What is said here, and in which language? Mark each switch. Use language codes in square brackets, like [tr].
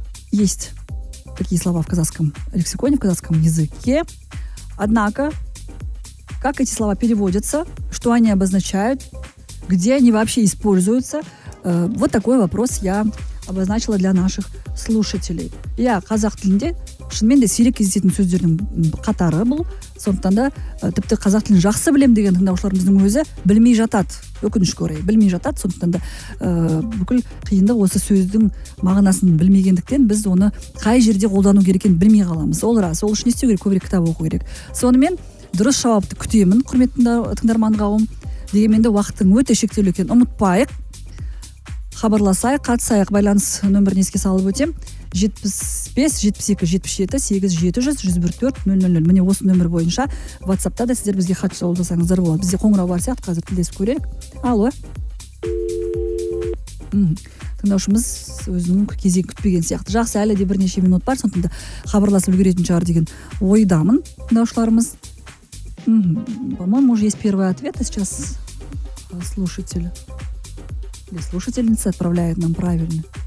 [ru] Есть такие слова в казахском лексиконе, в казахском языке. Однако... как эти слова переводятся, что они обозначают, где они вообще используются. Вот такой вопрос я обозначила для наших слушателей. [kk] Я казах тілінде, шынмен де сирек кездесетін сөздердің қатары бұл. Сондықтан да, тіпті казах тілін жақсы білем деген тыңдаушыларымыздың өзі білмей жатады. Өкініш көрей, білмей жатады. Сондықтан да, бүкіл қиында осы сөздің мағынасын білмегендіктен біз оны қай жерде қолдану керек екенін білмей қаламыз. Ол рас, ол үшін не істеу керек, көбірек кітап оқу керек. Сонымен дұрыс жауапты күтемін, құрметті тыңдарман қауым. Дегенменде уақыттың өте шектеулі екенін ұмытпайық. Хабарласайық, қатысайық. Байланыс нөмірін еске салып өтем. 75-72-77-8700-104-000. Міне осы нөмір бойынша WhatsApp-та да сіздер бізге хат жолдасаңыздар болады. Бізде қоңырау бар сияқты, қазір тілдесіп көрелік. Алло. Тыңдаушымыз өзінің кезегін күтпеген сияқты. Жақсы, әлі де бірнеше минут бар, сондықтан да хабарласып үлгеретін шығар деген ойдамын тыңдаушыларымыз. [ru] По-моему, уже есть первый ответ, а сейчас слушатель или слушательница отправляет нам правильный.